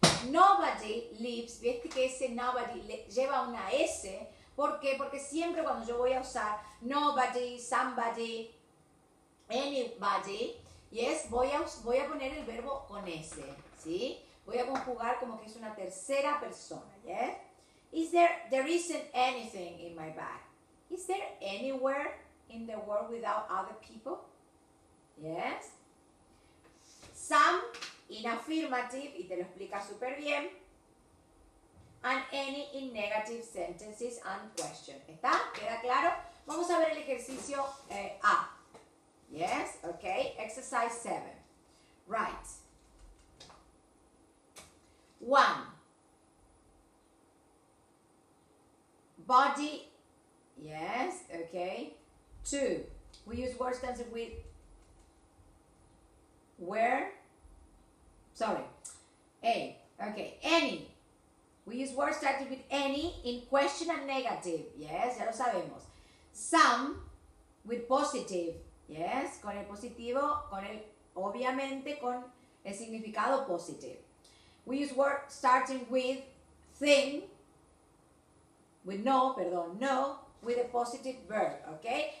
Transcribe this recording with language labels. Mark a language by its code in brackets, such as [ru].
[en] Nobody lives, [es] viste que ese nobody lleva una S, ¿por qué? Porque siempre cuando yo voy a usar nobody, somebody, anybody, yes, voy a poner el verbo con S. ¿Sí? Voy a conjugar como que es una tercera persona, ¿yes? [en] Is there isn't anything in my bag? Is there anywhere in the world without other people? [es] Yes. [en] Some in affirmative, [es] y te lo explica súper bien. [en] And any in negative sentences and question. [es] ¿Está? ¿Queda claro? Vamos a ver el ejercicio A. [en] Yes, okay. Exercise 7. Right. 1. Body. Yes, okay. 2. We use words tenses with where? Sorry. A. Okay, any. We use words starting with any in question and negative. [es] Yes, ya lo sabemos. [en] Some with positive. [es] Yes, con el positivo, con el obviamente con el significado positive. [en] We use word starting with thing, with no, perdón, no, with a positive verb, okay?